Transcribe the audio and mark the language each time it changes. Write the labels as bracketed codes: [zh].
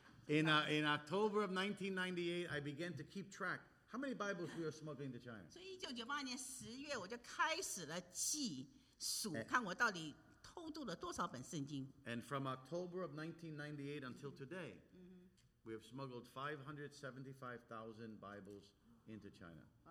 [en] In October of 1998, I began to keep track. How many Bibles we are smuggling to China? [zh] 所以1998年十月我就开始了记数，看我到底偷渡了多少本圣经。 [en] And from October of 1998 until today. We have smuggled 575,000 Bibles into China.